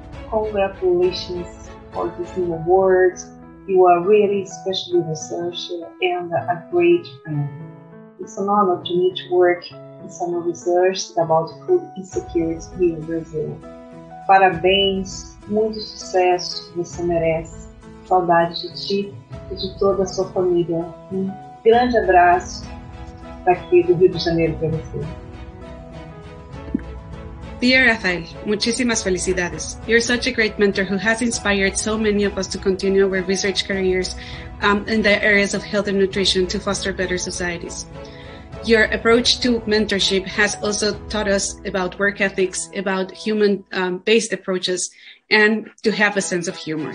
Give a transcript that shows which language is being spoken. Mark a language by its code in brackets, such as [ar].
[en] Congratulations for this new award. You are really special researcher and a great friend. It's an honor to meet work in some research about food insecurity here in Brazil. [pt] Parabéns, muito sucesso, você merece. Saudade de ti e de toda a sua família. Um grande abraço daqui do Rio de Janeiro para você. [en] Dear [es] Rafael, muchísimas felicidades. [en] You're such a great mentor who has inspired so many of us to continue our research careers in the areas of health and nutrition to foster better societies. Your approach to mentorship has also taught us about work ethics, about human-based approaches, and to have a sense of humor.